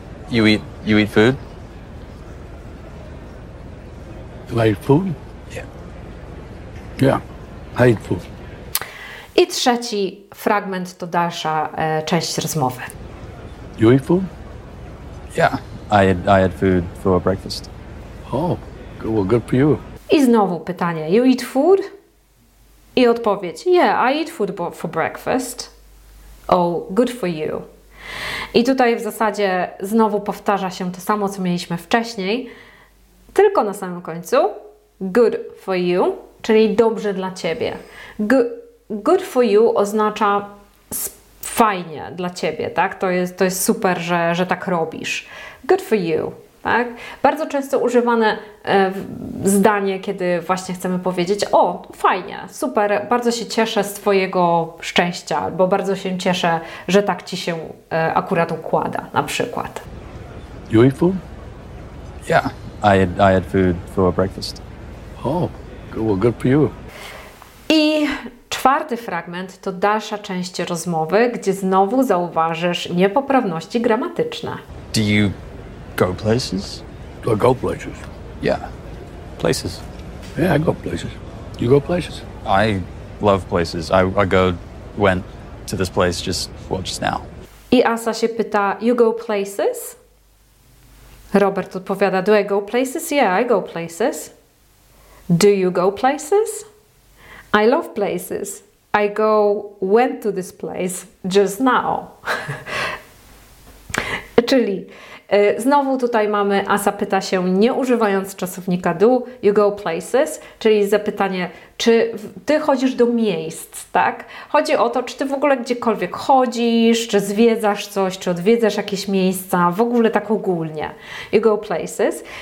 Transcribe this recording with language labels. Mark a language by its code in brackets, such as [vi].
[en] You eat food? Do I eat food? Yeah, I eat food. [pl] I trzeci fragment to dalsza część rozmowy. [en] You eat food? Yeah, I had food for breakfast. Oh, well, good for you. [pl] I znowu pytanie, [en] you eat food? [pl] I odpowiedź, [en] yeah, I eat food for breakfast. Oh, good for you. [pl] I tutaj w zasadzie znowu powtarza się to samo, co mieliśmy wcześniej, tylko na samym końcu, [en] good for you, [pl] czyli dobrze dla ciebie. [en] Good for you [pl] oznacza fajnie dla ciebie, tak? To jest super, że tak robisz. [en] Good for you. [pl] Tak? Bardzo często używane zdanie, kiedy właśnie chcemy powiedzieć, o, fajnie, super, bardzo się cieszę z Twojego szczęścia, albo bardzo się cieszę, że tak Ci się akurat układa, na przykład. [en] You eat food? Yeah, I had food for breakfast. Oh, well, good for you. [pl] I czwarty fragment to dalsza część rozmowy, gdzie znowu zauważysz niepoprawności gramatyczne. [en] Go places? Do I go places? Yeah. Places. Yeah, I go places. You go places? I love places. I went to this place just now. [pl] I Asa się pyta, [en] you go places? Robert odpowiada, do I go places? Yeah, I go places. Do you go places? I love places. I went to this place just now. [pl] Czyli znowu tutaj mamy, Asa pyta się, nie używając czasownika do, [en] you go places, [pl] czyli zapytanie, czy ty chodzisz do miejsc, tak? Chodzi o to, czy ty w ogóle gdziekolwiek chodzisz, czy zwiedzasz coś, czy odwiedzasz jakieś miejsca, w ogóle tak ogólnie. [en] You go places.